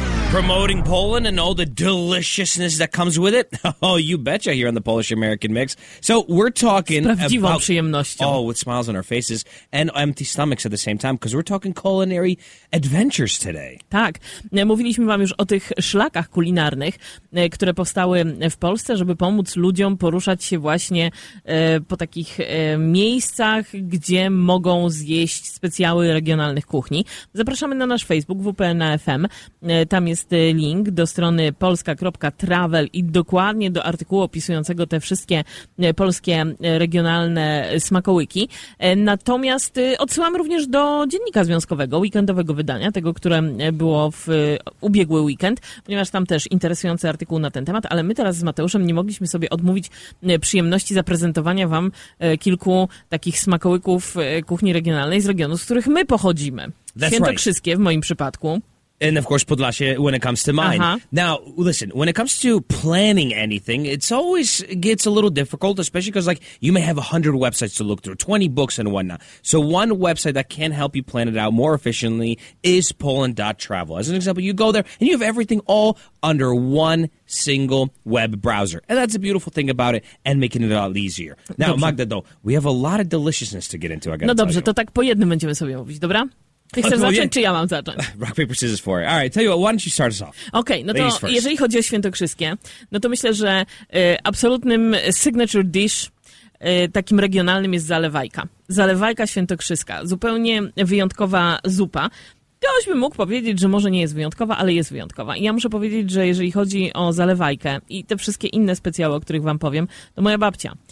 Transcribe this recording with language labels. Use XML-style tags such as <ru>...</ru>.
<en>Promoting Poland and all the deliciousness that comes with it? Oh, you betcha here on the Polish-American Mix. So we're talking about...</en> <pl>przyjemnością.</pl> <en>Oh, with smiles on our faces and empty stomachs at the same time, because we're talking culinary adventures today.</en> <pl>Tak. Mówiliśmy wam już o tych szlakach kulinarnych, które powstały w Polsce, żeby pomóc ludziom poruszać się właśnie po takich miejscach, gdzie mogą zjeść specjały regionalnych kuchni. Zapraszamy na nasz Facebook WPNFM. Tam jest link do strony polska.travel i dokładnie do artykułu opisującego te wszystkie polskie regionalne smakołyki. Natomiast odsyłam również do dziennika związkowego, weekendowego wydania, tego, które było w ubiegły weekend, ponieważ tam też interesujący artykuł na ten temat, ale my teraz z Mateuszem nie mogliśmy sobie odmówić przyjemności zaprezentowania wam kilku takich smakołyków kuchni regionalnej z regionu, z których my pochodzimy. Świętokrzyskie w moim przypadku.</pl> <en>And of course, Podlasie, when it comes to mine. Uh-huh. Now, listen, when it comes to planning anything, it's always gets a little difficult, especially because, like, you may have 100 websites to look through, 20 books and whatnot. So one website that can help you plan it out more efficiently is Poland.travel. As an example, you go there and you have everything all under one single web browser. And that's a beautiful thing about it and making it a lot easier. Now, dobrze. Magda, though, we have a lot of deliciousness to get into, I gotta</en> <pl>no dobrze,</pl> <en>tell you.</en> <pl>To tak po jednym będziemy sobie mówić, dobra? Ty chcesz zacząć, czy ja mam zacząć?</pl> <en>Rock, paper, scissors for it. All right, tell you what, why don't you start us off?</en> <pl>Okej, okay, no to jeżeli chodzi o świętokrzyskie, no to myślę, że absolutnym</pl> <en>signature dish</en> <pl>takim regionalnym jest zalewajka. Zalewajka świętokrzyska. Zupełnie wyjątkowa zupa. Ktoś by mógł powiedzieć, że może nie jest wyjątkowa, ale jest wyjątkowa. I ja muszę powiedzieć, że jeżeli chodzi o zalewajkę i te wszystkie inne specjały, o których wam powiem, to moja babcia.</pl>